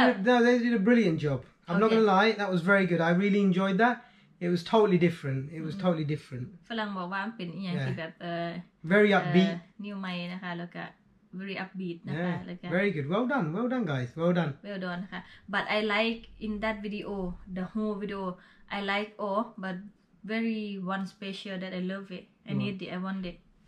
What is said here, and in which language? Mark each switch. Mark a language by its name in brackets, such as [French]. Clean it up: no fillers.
[English] they did a brilliant job I'm not gonna lie that was very good I really enjoyed that it was totally different it was totally different [Thai] ฝรั่งบอกว่าเป็นอย่างที่แบบ [English] very upbeat [Thai] new ใหม่นะคะแล้วก็ [English] very upbeat [Thai] นะคะแล้วก็ [English] very good well done guys well done well done ค่ะ but I like in that video the whole video I like all but very one special that I love it I need it I want it